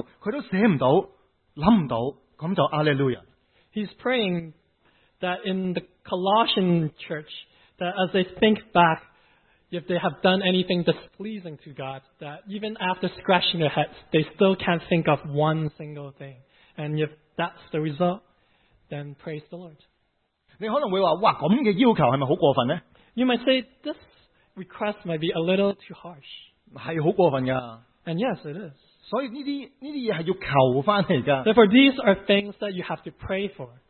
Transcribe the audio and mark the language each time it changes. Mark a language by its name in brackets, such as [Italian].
[Chinese] 就是哥羅西教會的會眾可以想回頭,我有沒有做不蒙主喜悅的事呢?想的時候,想到拗曬頭,他都寫不到,想不到,那就Alleluia. [English] He's praying that in the Colossian church, that as they think back, if they have done anything displeasing to God, that even after scratching their heads, they still can't think of one single thing. And if that's the result, then praise the Lord. [Chinese] 你可能会说,哇,这样的要求是不是很过分呢? [English] You might say, this request might be a little too harsh. [Chinese] 是很过分的。 [English] And yes, it is. [Chinese] 所以这些东西是要求回来的。 [English] Therefore, these are things that you have to pray for.